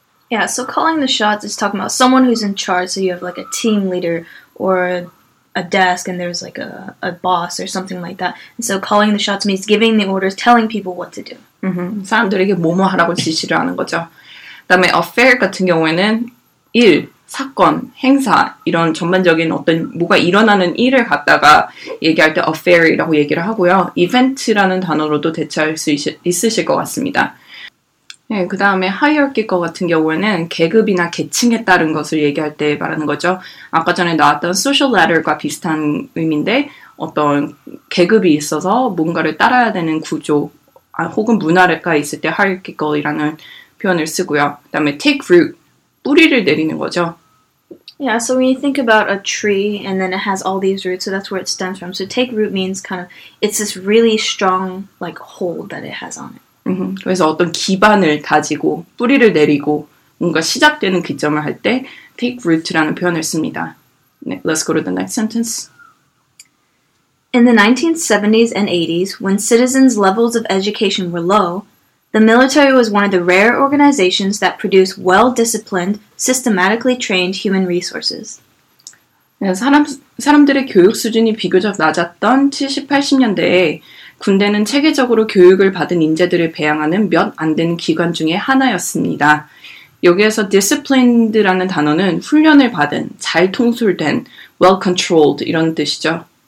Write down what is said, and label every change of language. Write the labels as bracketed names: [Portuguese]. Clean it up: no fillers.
[English] Yeah, so calling the shots is talking about someone who's in charge. So you have like a team leader or a desk and there's like a boss or something like that. And so calling the shots means giving the orders, telling people what to do. [Korean] 사람들에게 뭐뭐 하라고 지시를 하는 거죠. 그다음에 affair 같은 경우에는 일, 사건, 행사 이런 전반적인 어떤 뭐가 일어나는 일을 갖다가 얘기할 때 affair이라고 얘기를 하고요. event라는 단어로도 대체할 수 있으실 것 같습니다. 네, 그다음에 hierarchy 거 같은 경우에는 계급이나 계층에 따른 것을 얘기할 때 말하는 거죠. 아까 전에 나왔던 social ladder과 비슷한 의미인데 어떤 계급이 있어서 뭔가를 따라야 되는 구조 혹은 문화가 있을 때 hierarchical이라는 표현을 쓰고요. 그 다음에 take root, 뿌리를 내리는 거죠. [English] Yeah, so when you think about a tree and then it has all these roots, so that's where it stems from. So take root means kind of, it's this really strong like hold that it has on it. [Korean] 그래서 어떤 기반을 다지고 뿌리를 내리고 뭔가 시작되는 기점을 할 때 take root라는 표현을 씁니다. [English] Let's go to the next sentence. In the 1970s and 80s, when citizens' levels of education were low, the military was one of the rare organizations that produced well-disciplined, systematically trained human resources. [Korean] 사람들의 교육 수준이 비교적 낮았던 70, 80년대에 군대는 체계적으로 교육을 받은 인재들을 배양하는 몇 안 되는 기관 중에 하나였습니다. 여기에서 disciplined라는 단어는 훈련을 받은, 잘 통솔된, well-controlled 이런 뜻이죠.